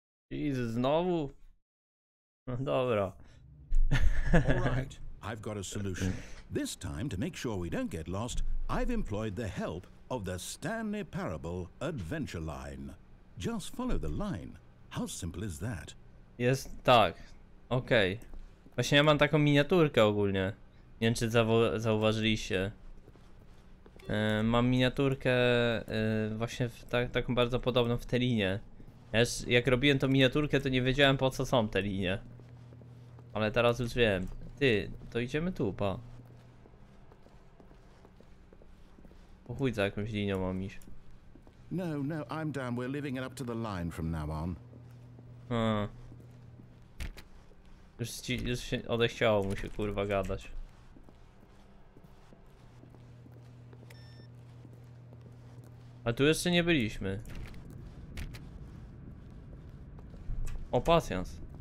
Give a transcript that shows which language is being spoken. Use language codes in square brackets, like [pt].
[pl] Jesus, znowu? Dobra. [en] Alright, I've got a solution. This time, to make sure we don't get lost, I've employed the help of the Stanley Parable Adventure Line. Just follow the line. How simple is that? [pl] Jest tak. Okej. [en] Okay. [pl] Właśnie ja mam taką miniaturkę ogólnie. Nie wiem, czy zauważyliście. Mam miniaturkę właśnie w taką bardzo podobną w te linie. Ja już, jak robiłem tą miniaturkę, to nie wiedziałem, po co są te linie. Ale teraz już wiem. Ty, to idziemy tu, pa. O chuj, za jakąś linią mam iść. [en] No, no, I'm down. We're living it up to the line from now on. [pl] Już się odechciało mu się, kurwa, gadać. A tu jeszcze nie byliśmy. O, pasjans.